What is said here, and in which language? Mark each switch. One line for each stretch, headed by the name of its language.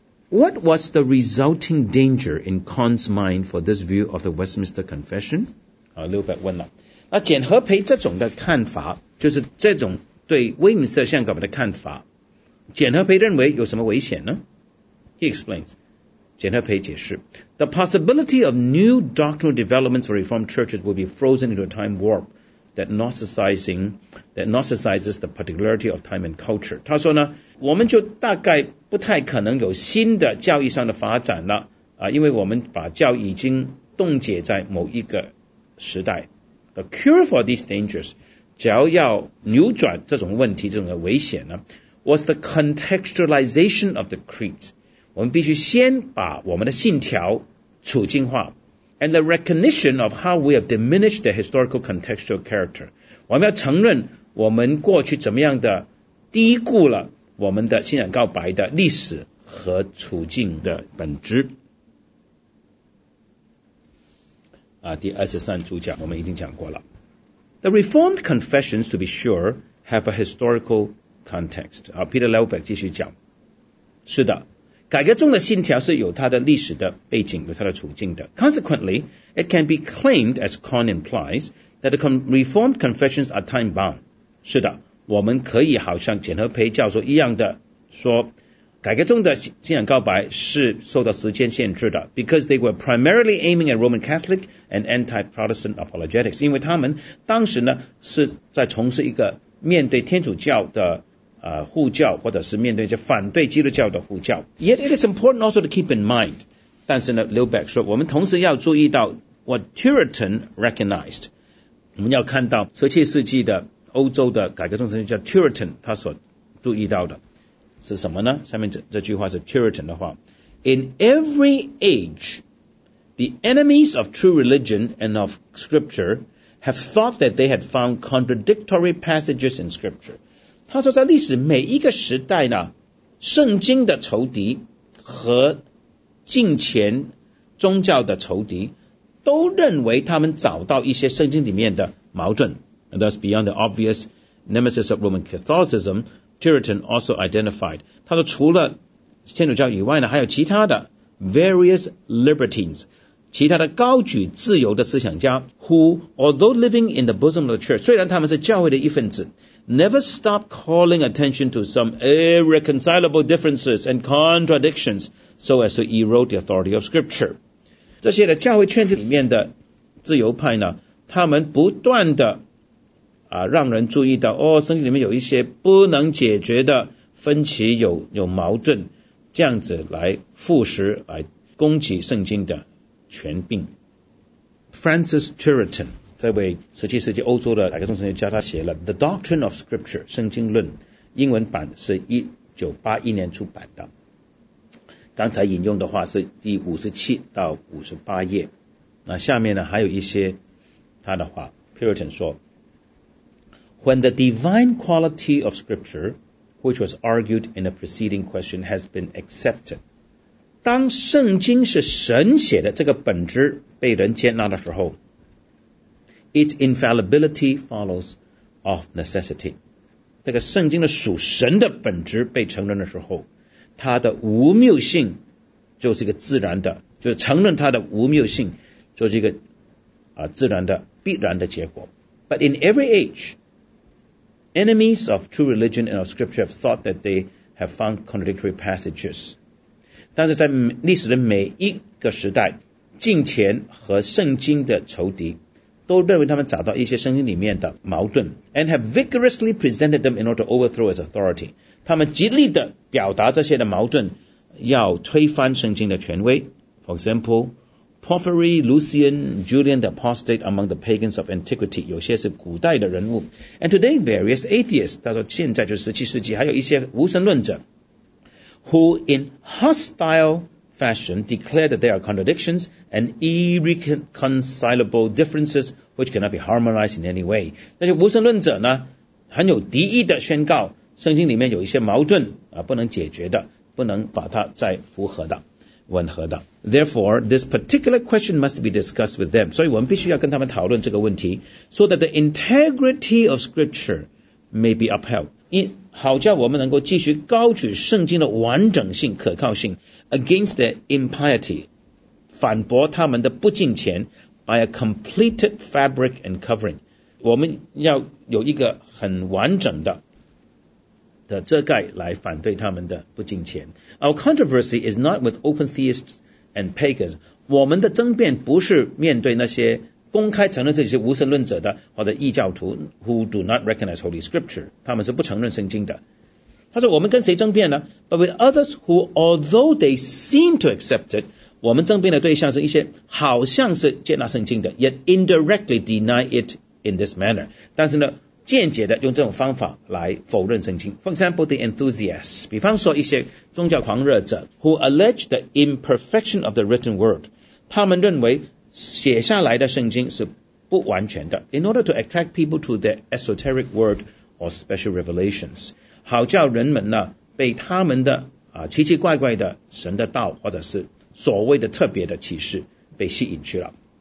English: What was the resulting danger in Kahn's mind for this view of the Westminster Confession?
Chinese: 刘伯问了。那简和培这种的看法，就是这种对威敏斯特宣告的看法，简和培认为有什么危险呢？
English: He explains.
Chinese: 简和培解释。
English: The possibility of new doctrinal developments for Reformed churches will be frozen into a time warp that Gnosticizes the particularity of time and culture.
Chinese: 他说呢，我们就大概不太可能有新的教义上的发展了因为我们把教已经冻结在某一个时代。
English: The cure for these dangers,
Chinese: 只要要扭转这种问题，这种的危险呢，
English: was the contextualization of the creeds.
Chinese: 我们必须先把我们的信条处境化。
English: And the recognition of how we have diminished the historical contextual character.
Chinese: 我们要承认我们过去怎么样的低估了我们的信仰告白的历史和处境的本质。第23主讲我们已经讲过了。
English: The Reformed confessions, to be sure, have a historical context.
Chinese: Peter Lilbeck 继续讲。是的。改革中的信条是有它的历史的背景，有它的处境的。
English: Consequently, it can be claimed, as Kahn implies, that the Reformed confessions are time-bound.
Chinese: 是的，我们可以好像简和培教授一样的说，改革中的信仰告白是受到时间限制的
English: ，because they were primarily aiming at Roman Catholic and anti-Protestant apologetics.
Chinese: 因为他们当时呢是在从事一个面对天主教的。护教或者是面对一些反对基督教的护教
English: Yet it is important also to keep in mind
Chinese: 但是呢 Lilbeck 说我们同时要注意到
English: What Turretin recognized
Chinese: 我们要看到17世纪的欧洲的改革中神学叫 Turretin 他所注意到的是什么呢下面 这句话是 Turretin 的话
English: In every age The enemies of true religion and of scripture Have thought that they had found contradictory passages in scripture
Chinese: 他说在历史每一个时代呢圣经的仇敌和近前宗教的仇敌都认为他们找到一些圣经里面的矛盾
English: And thus beyond the obvious nemesis of Roman Catholicism Turretin also identified
Chinese: 他说除了天主教以外呢还有其他的
English: various libertines
Chinese: 其他的高举自由的思想家
English: who although living in the bosom of the church
Chinese: 虽然他们是教会的一份子
English: Never stop calling attention to some irreconcilable differences and contradictions so as to erode the authority of scripture.
Chinese: 这些的教会圈子里面的自由派呢他们不断的让人注意到哦圣经里面有一些不能解决的分歧有矛盾这样子来腐蚀来攻击圣经的权柄。 Francis Turretin这位17世纪欧洲的改革中神学家他写了 The Doctrine of Scripture 圣经论英文版是1981年出版的刚才引用的话是第57到58页那下面呢还有一些他的话
English: Puritan 说 When the divine quality of Scripture which was argued in the preceding question has been accepted
Chinese: 当圣经是神写的这个本质被人接纳的时候
English: its infallibility follows of necessity.
Chinese: 这个圣经的属神的本质被承认的时候，它的无谬性就是一个自然的，就是承认它的无谬性就是一个自然的必然的结果。
English: But in every age, enemies of true religion and of scripture have thought that they have found contradictory passages.
Chinese: 但是在历史的每一个时代，近前和圣经的仇敌都认为他们找到一些圣经里面的矛盾
English: and have vigorously presented them in order to overthrow its authority.
Chinese: 他们极力地表达这些的矛盾，要推翻圣经的权威。
English: For example, Porphyry, Lucian, Julian the Apostate among the pagans of antiquity,
Chinese: 有些是古代的人物。
English: And today, various atheists,
Chinese: 他说现在就是17世纪，还有一些无神论者
English: who in hostile fashion declare that there are contradictions and irreconcilable differences which cannot be harmonized in any way.
Chinese: 那些无神论者呢，很有敌意地宣告圣经里面有一些矛盾不能解决的，不能把它再符合的吻合的。
English: Therefore, this particular question must be discussed with them.
Chinese: 所以我们必须要跟他们讨论这个问题，
English: so that the integrity of scripture may be upheld.
Chinese: 好叫我们能够继续高举圣经的完整性可靠性，
English: against their impiety,
Chinese: 反驳他们的不敬虔，
English: by a completed fabric and covering.
Chinese: 我们要有一个很完整的遮盖来反对他们的不敬虔。
English: Our controversy is not with open theists and pagans.
Chinese: 我们的争辩不是面对那些公开承认这些无神论者的或者异教徒
English: who do not recognize Holy Scripture.
Chinese: 他们是不承认圣经的。他说我们跟谁争辩呢？
English: But with others who, although they seem to accept it,
Chinese: 我们争辩的对象是一些好像是接纳圣经的，
English: yet indirectly deny it in this manner.
Chinese: 但是呢间接的用这种方法来否认圣经。
English: For example, the enthusiasts,
Chinese: 比方说一些宗教狂热者
English: who allege the imperfection of the written word,
Chinese: 他们认为写下来的圣经是不完全的，
English: in order to attract people to their esoteric word or special revelations,
Chinese: 好叫人们呢被他们的奇奇怪怪的神的道或者是所谓的特别的启示被吸引去了。